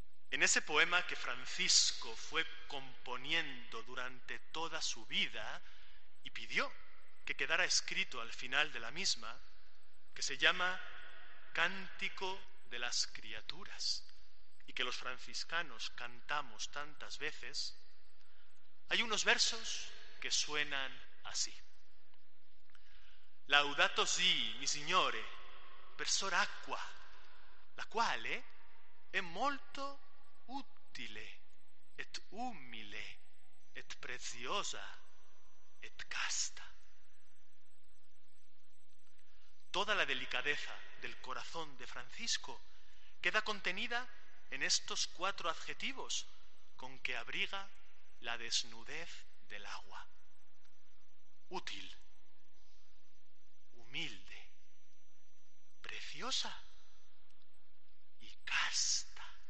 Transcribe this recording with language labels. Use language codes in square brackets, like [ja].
[es] En ese poema que Francisco fue componiendo durante toda su vida y pidió que quedara escrito al final de la misma, que se llama Cántico de las Criaturas y que los franciscanos cantamos tantas veces, hay unos versos que suenan así. [it] Laudato si, mi signore, persor aqua, la quale è molto utile, et umile, et preziosa, et casta. [es] Toda la delicadeza del corazón de Francisco queda contenida en estos cuatro adjetivos con que abriga la desnudez del agua. Útil, humilde, preciosa y casta.